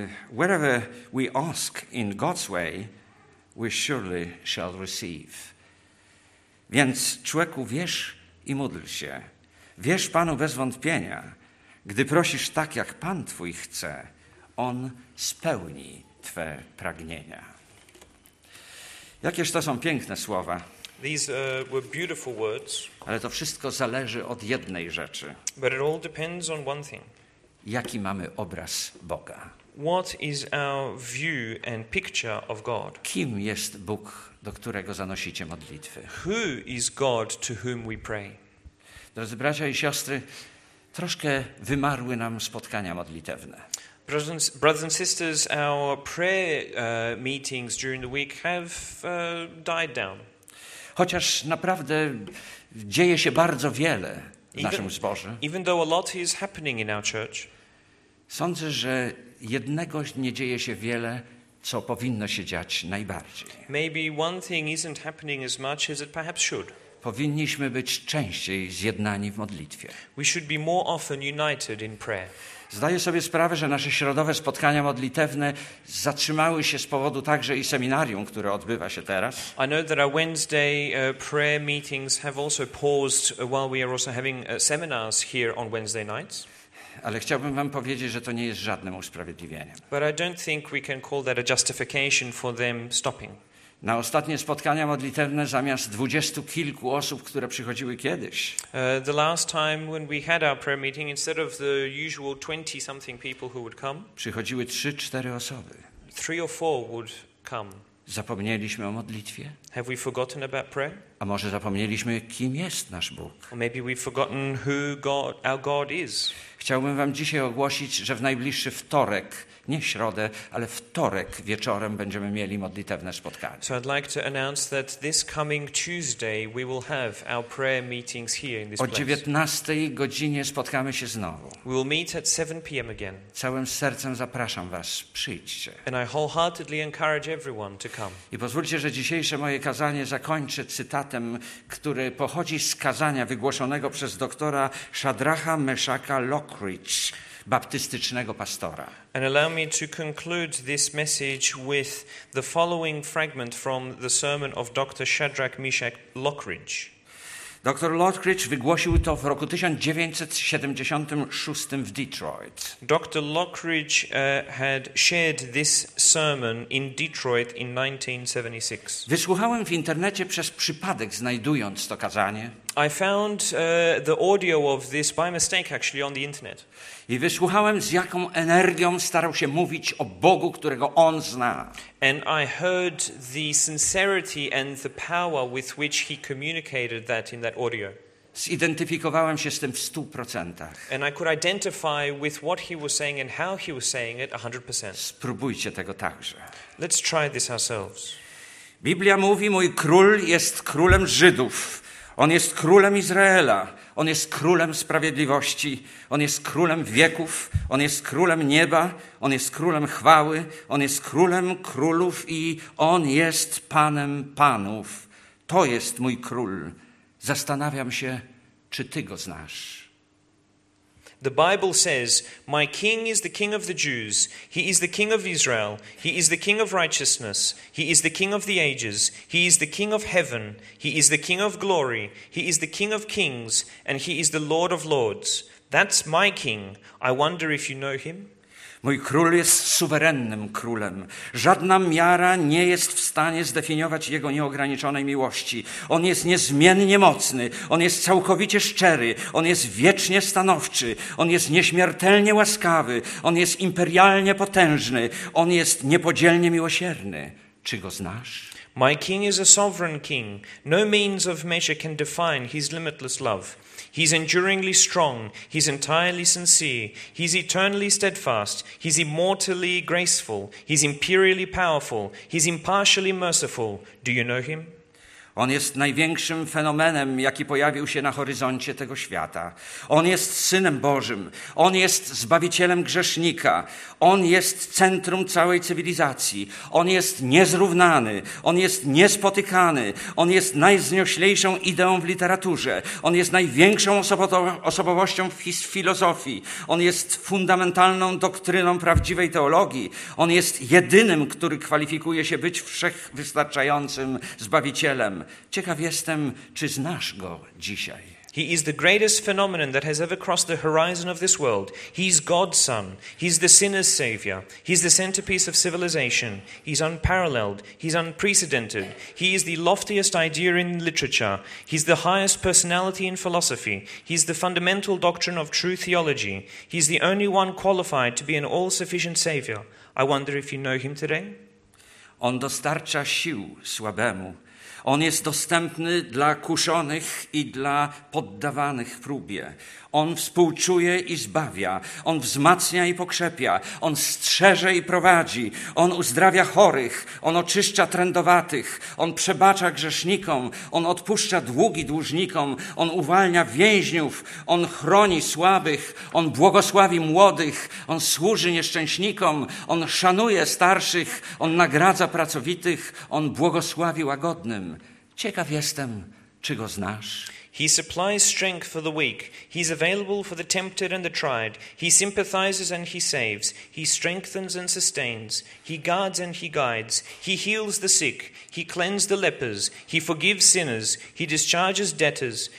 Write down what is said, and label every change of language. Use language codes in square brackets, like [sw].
[en] Wherever we ask in God's way, we surely shall receive." [pl] Więc człowieku, wierz i módl się. Wierz Panu bez wątpienia. Gdy prosisz tak, jak Pan Twój chce, On spełni Twe pragnienia. Jakież to są piękne słowa. [en] These were beautiful words. [pl] Ale to wszystko zależy od jednej rzeczy. [en] But it all depends on one thing. [pl] Jaki mamy obraz Boga? [en] What is our view and picture of God? [pl] Kim jest Bóg, do którego zanosicie modlitwy? [en] Who is God to whom we pray? [pl] Drodzy bracia i siostry, troszkę wymarły nam spotkania modlitewne. [en] Brothers and sisters, our prayer meetings during the week have died down. [pl] Chociaż naprawdę dzieje się bardzo wiele w naszym zborze. [en] Even though a lot is happening in our church. [pl] Sądzę, że jednego nie dzieje się wiele, co powinno się dziać najbardziej. [en] Maybe one thing isn't happening as much as it perhaps should. [pl] Powinniśmy być częściej zjednani w modlitwie. [en] We should be more often united in prayer. [pl] Zdaję sobie sprawę, że nasze środowe spotkania modlitewne zatrzymały się z powodu także i seminarium, które odbywa się teraz. [en] I know that our Wednesday prayer meetings have also paused while we are also having seminars here on Wednesday nights. [pl] Ale chciałbym wam powiedzieć, że to nie jest żadnym usprawiedliwieniem. [en] But I don't think we can call that a justification for them stopping. [pl] Na ostatnie spotkania modlitewne zamiast 20 kilku osób, które przychodziły kiedyś. [en] The last time when we had our prayer meeting, instead of the usual 20 something people who would come, [pl] przychodziły 3-4 osoby. [en] Three or four would come. [pl] Zapomnieliśmy o modlitwie? [en] Have we forgotten about prayer? [pl] A może zapomnieliśmy, kim jest nasz Bóg. [en] Or maybe we've forgotten who God, our God is. [pl] Chciałbym wam dzisiaj ogłosić, że w najbliższy wtorek, nie środę, ale wtorek wieczorem będziemy mieli modlitewne spotkanie. [en] So I'd like to announce that this coming Tuesday we will have our prayer meetings here in this place. [pl] O 19:00 godzinie spotkamy się znowu. [en] We will meet at 7 p.m. again. [pl] Całym sercem zapraszam was, przyjdźcie. [en] And I wholeheartedly encourage everyone to come. [pl] I pozwólcie, że dzisiejsze moje kazanie zakończę cytatem, który pochodzi z kazania wygłoszonego przez doktora Shadracha Meshacha Lockridge, baptystycznego pastora. [en] And allow me to conclude this message with the following fragment from the sermon of Dr. Shadrach Meshach Lockridge. Dr. [pl] Lockridge wygłosił to w roku 1976 w Detroit. [en] Dr. Lockridge had shared this sermon in Detroit in 1976. [pl] Wysłuchałem w internecie przez przypadek, znajdując to kazanie. [en] I found the audio of this by mistake actually on the internet. [pl] I wysłuchałem, z jaką energią starał się mówić o Bogu, którego on zna. [en] And I heard the sincerity and the power with which he communicated that in that audio. [pl] Zidentyfikowałem się z tym w 100%. [en] And I could identify with what he was saying and how he was saying it 100%. [pl] Spróbujcie tego także. [en] Let's try this ourselves. [pl] Biblia mówi, mój król jest królem Żydów. On jest królem Izraela, on jest królem sprawiedliwości, on jest królem wieków, on jest królem nieba, on jest królem chwały, on jest królem królów i on jest panem panów. To jest mój król. Zastanawiam się, czy ty go znasz. [en] The Bible says, my king is the king of the Jews, he is the king of Israel, he is the king of righteousness, he is the king of the ages, he is the king of heaven, he is the king of glory, he is the king of kings, and he is the lord of lords. That's my king. I wonder if you know him? [pl] Mój król jest suwerennym królem. Żadna miara nie jest w stanie zdefiniować jego nieograniczonej miłości. On jest niezmiennie mocny. On jest całkowicie szczery. On jest wiecznie stanowczy. On jest nieśmiertelnie łaskawy. On jest imperialnie potężny. On jest niepodzielnie miłosierny. Czy go znasz? [en] My king is a sovereign king. No means of measure can define his limitless love. He's enduringly strong, he's entirely sincere, he's eternally steadfast, he's immortally graceful, he's imperially powerful, he's impartially merciful. Do you know him? [pl] On jest największym fenomenem, jaki pojawił się na horyzoncie tego świata. On jest Synem Bożym. On jest Zbawicielem grzesznika. On jest centrum całej cywilizacji. On jest niezrównany. On jest niespotykany. On jest najznioślejszą ideą w literaturze. On jest największą osobowością w filozofii. On jest fundamentalną doktryną prawdziwej teologii. On jest jedynym, który kwalifikuje się być wszechwystarczającym Zbawicielem. Ciekaw jestem, czy znasz go dzisiaj. [en] He is the greatest phenomenon that has ever crossed the horizon of this world. He's God's son. He's the sinner's savior. He's the centerpiece of civilization. He's unparalleled. He's unprecedented. He is the loftiest idea in literature. He's the highest personality in philosophy. He's the fundamental doctrine of true theology. He's the only one qualified to be an all-sufficient savior. I wonder if you know him today? [pl] On dostarcza sił słabemu. On jest dostępny dla kuszonych i dla poddawanych próbie. On współczuje i zbawia. On wzmacnia i pokrzepia. On strzeże i prowadzi. On uzdrawia chorych. On oczyszcza trędowatych. On przebacza grzesznikom. On odpuszcza długi dłużnikom. On uwalnia więźniów. On chroni słabych. On błogosławi młodych. On służy nieszczęśnikom. On szanuje starszych. On nagradza pracowitych. On błogosławi łagodnym. Ciekaw jestem, czy go znasz? [en] He supplies strength for the weak. He's available for the tempted and the tried. He sympathizes and he saves. He strengthens and sustains. He guards and he guides. He heals the sick. He cleanses the lepers. He forgives sinners. He discharges debtors.